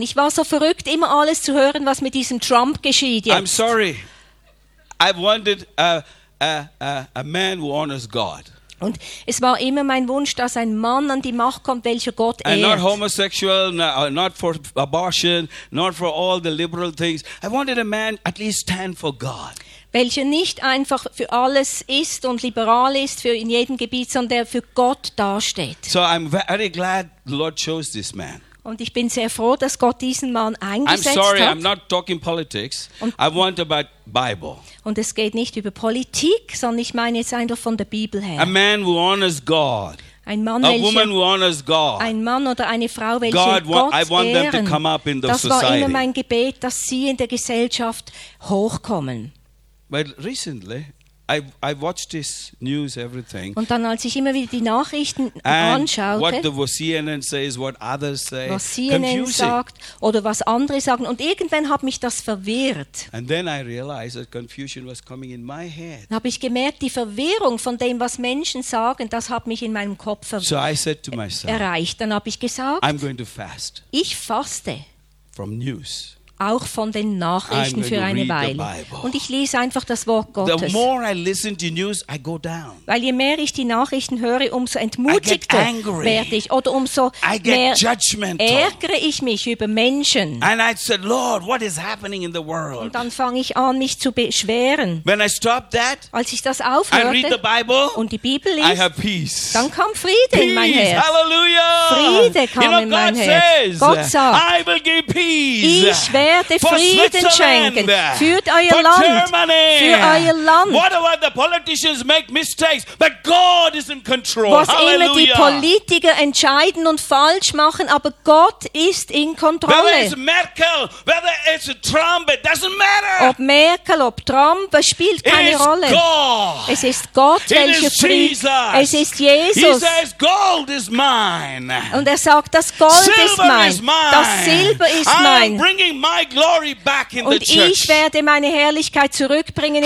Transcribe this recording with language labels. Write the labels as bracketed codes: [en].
[de] Ich war so verrückt, immer alles zu hören, was mit diesem Trump geschieht jetzt. [en] I'm sorry. I wanted a man who honors God. [de] Und es war immer mein Wunsch, dass ein Mann an die Macht kommt, welcher Gott ehrt. [en] And not homosexual, not for abortion, not for all the liberal things. I wanted a man at least stand for God. [de] Welcher nicht einfach für alles ist und liberal ist für in jedem Gebiet, sondern der für Gott dasteht. [en] So I'm very glad the Lord chose this man. [de] Und ich bin sehr froh, dass Gott diesen Mann eingesetzt hat. [en] I'm sorry, [de] hat. [en] I'm not talking politics. I want about Bible. [de] Und es geht nicht über Politik, sondern ich meine jetzt einfach von der Bibel her. [en] A man who honors God. [de] Ein Mann, [en] a woman who honors God. [de] Ein Mann oder eine Frau, welche God, Gott [en] I want [de] ehren. [en] Them to come up in the [de] das [en] society. [de] War immer mein Gebet, dass sie in der Gesellschaft hochkommen. [en] But recently, I watched this news, everything. [de] Und dann, als ich immer wieder die Nachrichten anschaute, [en] what the, what CNN says, what others say, [de] was CNN [en] confusing. [de] Sagt oder was andere sagen, und irgendwann hat mich das verwirrt. [en] And then I realized that confusion was coming in my head. [de] Dann habe ich gemerkt, die Verwirrung von dem, was Menschen sagen, das hat mich in meinem Kopf [en] so I said to myself, [de] erreicht. Dann habe ich gesagt, [en] I'm going to fast. [de] Ich faste. [en] From news. [de] Auch von den Nachrichten für eine Weile. Und ich lese einfach das Wort Gottes. [en] The more I listen to news, I go down. [de] Weil je mehr ich die Nachrichten höre, umso entmutigter werde ich. Oder umso mehr ärgere ich mich über Menschen. [en] And I said, Lord, what is happening in the world? [de] Und dann fange ich an, mich zu beschweren. [en] When I stop that, [de] als ich das aufhörte [en] I read the Bible, [de] und die Bibel lese, [en] I have peace. [de] Dann kam Friede [en] peace, [de] in mein Herz. Hallelujah. Friede kam [en] you know, [de] in mein [en] God [de] Herz. [en] Says, [de] Gott sagt, [en] I will give peace. [de] Ich werde Frieden schenken. Führt euer Land. [en] Germany. [de] Für euer Land. [en] Whatever the politicians make mistakes, but God is in control. [de] Was immer die Politiker entscheiden und falsch machen, aber Gott ist in Kontrolle. [en] Whether it's Merkel, whether it's Trump, it doesn't matter. [de] Ob Merkel, ob Trump, es spielt keine Rolle. [en] God. [de] Es ist Gott, welcher Frieden. Es ist Jesus. [en] He says, gold is mine. [de] Und er sagt, das Gold [en] Silver [de] ist mein. [en] Is mine. [de] Das Silber ist mein. [en] My glory back in [de] und [en] the church. [de] Ich werde meine Herrlichkeit zurückbringen